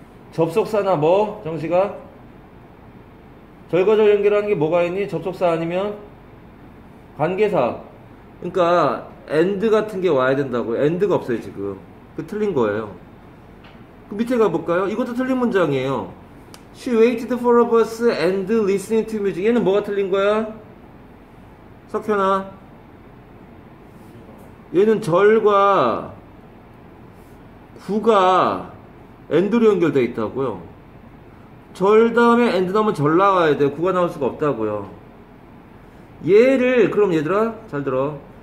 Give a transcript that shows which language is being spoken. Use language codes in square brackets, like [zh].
[ko] 접속사나 뭐? 정시가? 절과 절 연결하는 게 뭐가 있니? 접속사 아니면? 관계사. 그러니까 end 같은 게 와야 된다고요. end가 없어요 지금. 그 틀린 거예요. 그 밑에 가볼까요? 이것도 틀린 문장이에요. [en] She waited for a bus and listening to music. [ko] 얘는 뭐가 틀린 거야? 석현아. 얘는 절과 구가 엔드로 연결되어 있다고요. 절 다음에 엔드 나오면 절 나와야 돼요. 구가 나올 수가 없다고요. 얘를 그럼 얘들아 잘 들어.